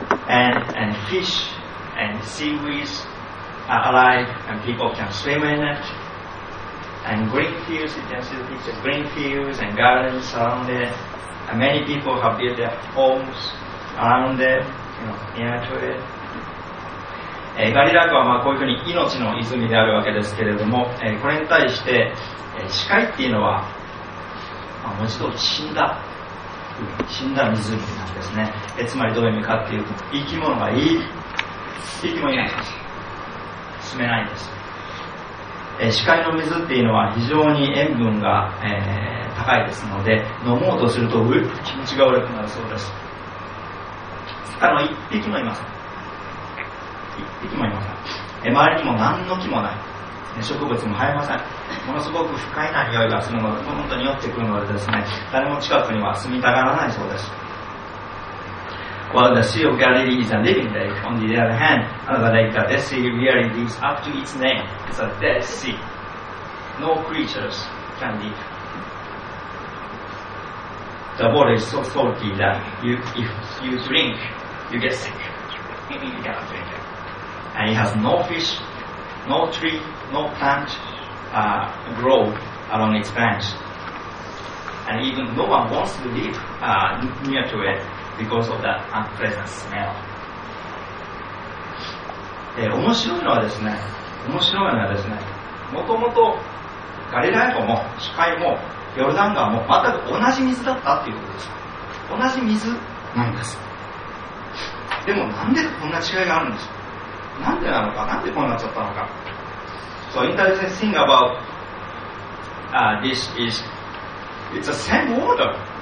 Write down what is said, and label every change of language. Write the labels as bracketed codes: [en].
[en] And fish and seaweeds are alive and people can swim in it. And green fields, you can see the picture, green fields and gardens around there. And many people have built their homes around there, you know, near to it. [ja] ガリラ湖はまあこういうふうに命の泉であるわけですけれども、これに対して、死海っていうのは、まあ、文字通り死んだ湖なんですね。つまりどういう意味かっていうと、生き物がいい生き物いないんです。住めないんです。死海の水っていうのは非常に塩分が、高いですので、飲もうとすると、気持ちが悪くなるそうです。一匹もいません。一匹もいません。周りにも何の木もない。植物も生えません。ものすごく不快な匂いがするので、本当に酔ってくるのでですね、誰も近くには住みたがらないそうです。 [en] While the Sea of Galilee is a living lake, on the other hand, another lake, the Dead Sea, really lives up to its name. It's a dead sea. No creatures can live. The water is so salty that if you drink, you get sick. Maybe you cannot drink it. And it has no fish, no tree, no plant grow along its banks. And even no one wants to live near to it because of that unpleasant smell. [ja] 面白いのはですね、もともとガリラヤ湖も死海もヨルダン川も全く同じ水だったということです。同じ水なんです。でもなんでこんな違いがあるんですか。なんでなのか、なんでこうなっちゃったのか。 [en] So interesting thing about this is it's the same water.